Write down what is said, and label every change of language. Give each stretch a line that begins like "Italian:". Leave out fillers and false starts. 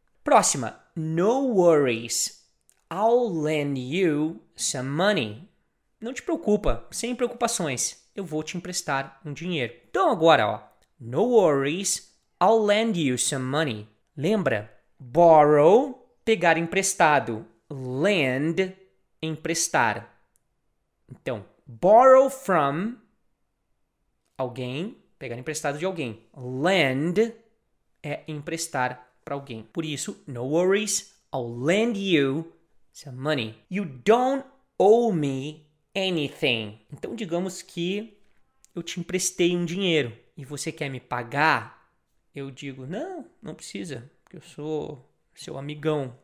English: Próxima, no worries, I'll lend you some money.
Portuguese: Não te preocupa, sem preocupações, eu vou te emprestar um dinheiro. Então agora, ó,
English: no worries, I'll lend you some money.
Portuguese: Lembra? Borrow, pegar emprestado. Lend, emprestar. Então, borrow from alguém, pegar emprestado de alguém. Lend é emprestar para alguém. Por isso,
English: no worries, I'll lend you some money. You don't owe me anything.
Portuguese: Então, digamos que eu te emprestei um dinheiro e você quer me pagar, eu digo, não precisa, porque eu sou seu amigão.